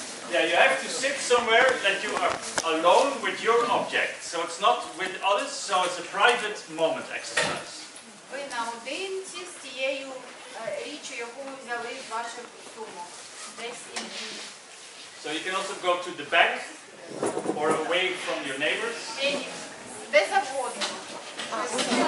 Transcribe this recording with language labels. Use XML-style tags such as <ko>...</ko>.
<en>Yeah, you have to sit somewhere that you are alone with your object. So it's not with others, so it's a private moment exercise.</en> <uk>Ви наодинці з цією річчю, яку ви взяли з вашого суму. Десь інші.</uk> <en>So you can also go to the back or away from your neighbors.</en> <uk>Де завгодно.</uk>